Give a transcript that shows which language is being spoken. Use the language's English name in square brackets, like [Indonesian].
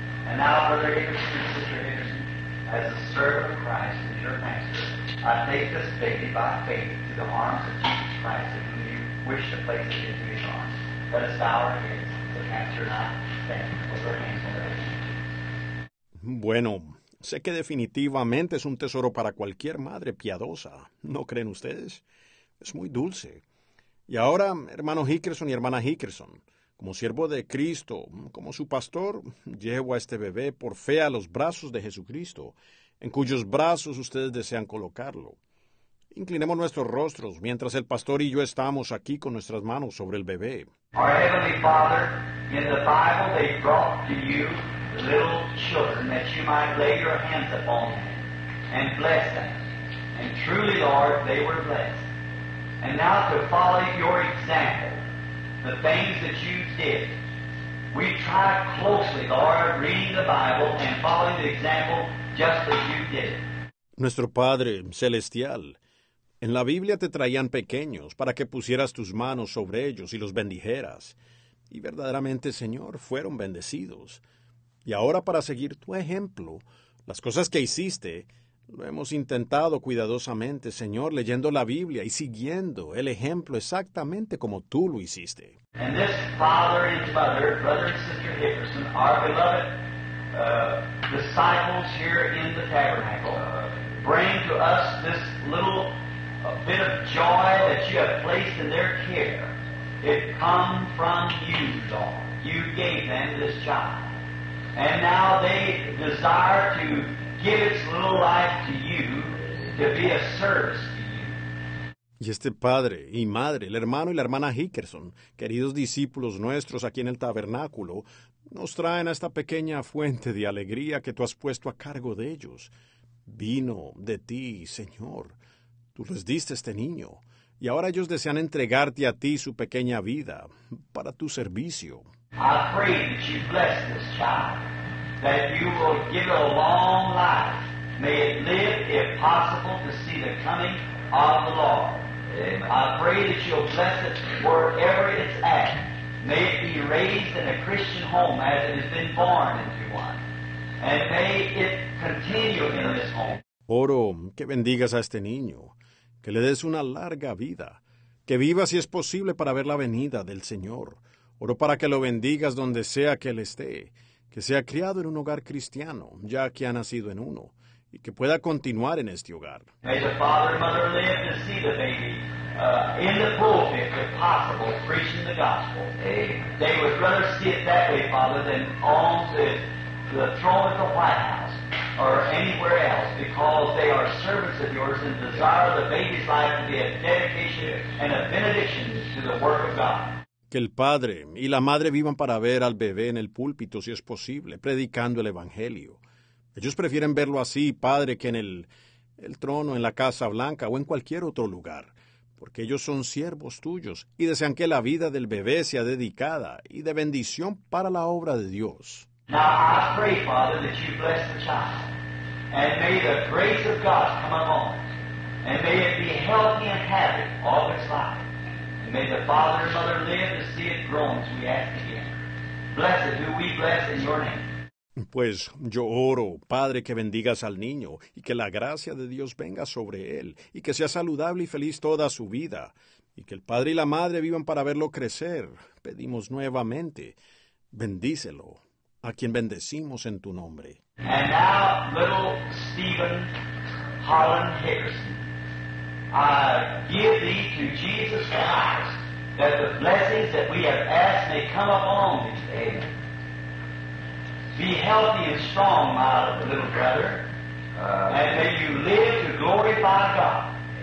[English] And now, Brother Hickerson, Sister Hickerson, as a servant of Christ and your pastor, I take this baby by faith to the arms of Jesus Christ, if you wish to place it into his arms. Let us bow our heads, the pastor and I stand with our hands on our heads. [Spanish] Bueno. Sé que definitivamente es un tesoro para cualquier madre piadosa. ¿No creen ustedes? Es muy dulce. Y ahora, hermano Hickerson y hermana Hickerson, como siervo de Cristo, como su pastor, llevo a este bebé por fe a los brazos de Jesucristo, en cuyos brazos ustedes desean colocarlo. Inclinemos nuestros rostros mientras el pastor y yo estamos aquí con nuestras manos sobre el bebé. [English] Our Heavenly Father, in the Bible they brought to you little children that you might lay your hands upon them and bless them. And truly, Lord, they were blessed. And now to follow your example, the things that you did, we try closely, Lord, reading the Bible and following the example just as you did. [Spanish] Nuestro Padre Celestial, en la Biblia te traían pequeños para que pusieras tus manos sobre ellos y los bendijeras. Y verdaderamente, Señor, fueron bendecidos. Y ahora, para seguir tu ejemplo, las cosas que hiciste, lo hemos intentado cuidadosamente, Señor, leyendo la Biblia y siguiendo el ejemplo exactamente como tú lo hiciste. [English] And this father and mother, brother and sister Hickerson, our beloved disciples here in the tabernacle, bring to us this little bit of joy that you have placed in their care. It come from you, Lord. You gave them this child. And now they desire to give its little life to you, to be a service to you. [Spanish] Y este padre y madre, el hermano y la hermana Hickerson, queridos discípulos nuestros aquí en el tabernáculo, nos traen a esta pequeña fuente de alegría que tú has puesto a cargo de ellos. Vino de ti, Señor. Tú les diste este niño, y ahora ellos desean entregarte a ti su pequeña vida para tu servicio. [English] I pray that you bless this child, that you will give it a long life. May it live, if possible, to see the coming of the Lord. Amen. I pray that you'll bless it wherever it's at. May it be raised in a Christian home as it has been born into one. And may it continue in this home. [Spanish] Oro, que bendigas a este niño, que le des una larga vida, que viva si es posible para ver la venida del Señor. Oro para que lo bendigas donde sea que él esté, que sea criado en un hogar cristiano, ya que ha nacido en uno, y que pueda continuar en este hogar. [English] May the father and mother live to see the baby in the pulpit, if possible, preaching the gospel. Amen. They would rather see it that way, Father, than on the throne of the White House or anywhere else, because they are servants of yours and desire the baby's life to be a dedication and a benediction to the work of God. [Spanish] Que el padre y la madre vivan para ver al bebé en el púlpito, si es posible, predicando el Evangelio. Ellos prefieren verlo así, padre, que en el trono, en la Casa Blanca o en cualquier otro lugar, porque ellos son siervos tuyos y desean que la vida del bebé sea dedicada y de bendición para la obra de Dios. [English] Now I pray, Father, that you bless the child, and may the grace of God come upon it, and may it be healthy and happy all its life. May the father and mother live to see it grown, as we ask again. Blessed do we bless in your name. [Spanish] Pues yo oro, Padre, que bendigas al niño y que la gracia de Dios venga sobre él y que sea saludable y feliz toda su vida y que el padre y la madre vivan para verlo crecer. Pedimos nuevamente, bendícelo, a quien bendecimos en tu nombre. [English] And now, little Stephen Holland Harrison, I give thee to Jesus Christ, that the blessings that we have asked may come upon thee. Amen. Be healthy and strong, my little brother, and may you live to glorify God.